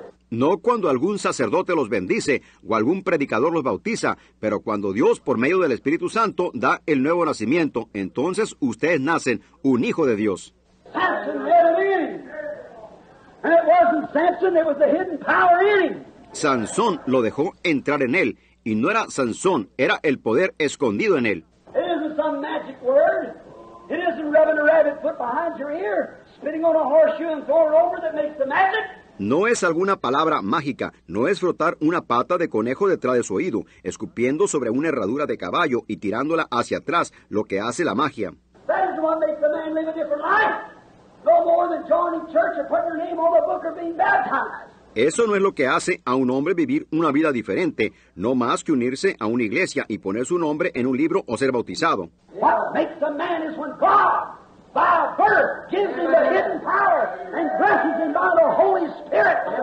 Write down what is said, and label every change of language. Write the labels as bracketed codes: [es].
[es] No cuando algún sacerdote los bendice o algún predicador los bautiza, pero cuando Dios, por medio del Espíritu Santo, da el nuevo nacimiento, entonces ustedes nacen un hijo de Dios. [en] Samson had it in him. And it wasn't Samson, it was the hidden power in him. [es] Sansón lo dejó entrar en él, y no era Sansón, era el poder escondido en él. [en] It isn't some magic word. It isn't rubbing a rabbit foot behind your ear, spitting on a horseshoe and throwing it over that makes the magic. [es] No es alguna palabra mágica, no es frotar una pata de conejo detrás de su oído, escupiendo sobre una herradura de caballo y tirándola hacia atrás, lo que hace la magia. [en] That is what makes the man live a different life. No more than joining church or putting your name on the book or being baptized. [es] Eso no es lo que hace a un hombre vivir una vida diferente, no más que unirse a una iglesia y poner su nombre en un libro o ser bautizado. [en] What makes a man is when God, by birth, gives him the hidden power and blesses him by the Holy Spirit.